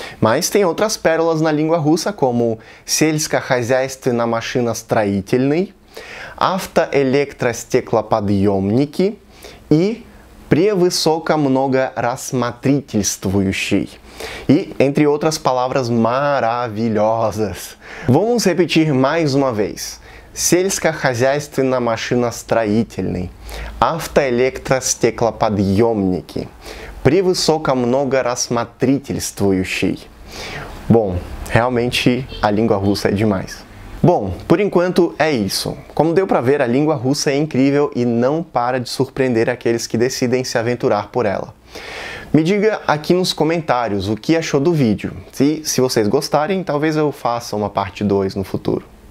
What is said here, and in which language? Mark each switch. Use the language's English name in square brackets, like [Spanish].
[Portuguese] Mas tem outras pérolas na língua russa, como [Russian] Сельское хозяйство на машиностроительной, автоэлектростеклоподъемники и превысокомногорассмотрительствующий. [Portuguese] E entre outras palavras maravilhosas. Vamos repetir mais uma vez. [Russian] Сельское хозяйство на машиностроительной, автоэлектростеклоподъемники, превысокомногорассмотрительствующий. [Portuguese] Bom, realmente a língua russa é demais. Bom, por enquanto é isso. Como deu para ver, a língua russa é incrível e não para de surpreender aqueles que decidem se aventurar por ela. Me diga aqui nos comentários o que achou do vídeo. Se vocês gostarem, talvez eu faça uma parte 2 no futuro.